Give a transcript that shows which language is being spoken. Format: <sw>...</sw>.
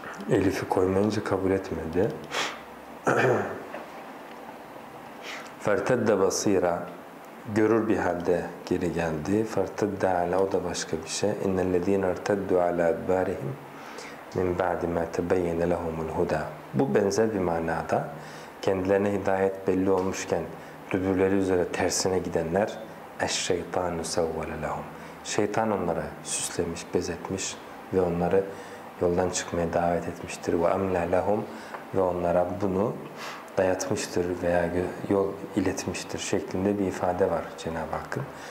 <tr>Elif'i koymayınca kabul etmedi.</tr> <ar>Fertedde basira.</ar> <tr>Görür bir halde geri geldi.</tr> <ar>فَرْتَدَّ عَلَى</ar> <tr>O da başka bir şey.</tr> <ar>اِنَّ الَّذ۪ينَ اَرْتَدُّ عَلَى اَدْبَارِهِمْ مِنْ بَعْدِ مَا تَبَيَّنَ لَهُمُ الْهُدَى</ar> <tr>Bu benzer bir manada. Kendilerine hidayet belli olmuşken dübürleri üzere tersine gidenler</tr> <ar>اَشْشَيْطَانُ سَوَّلَ لَهُمْ</ar> <tr>Şeytan onları süslemiş, bezetmiş ve onları yoldan çıkmaya davet etmiştir.</tr> <ar>وَاَمْلَى لَهُمْ</ar> <tr>Ve onlara bunu dayatmıştır veya yol iletmiştir şeklinde bir ifade var Cenab-ı Hakk'ın.</tr>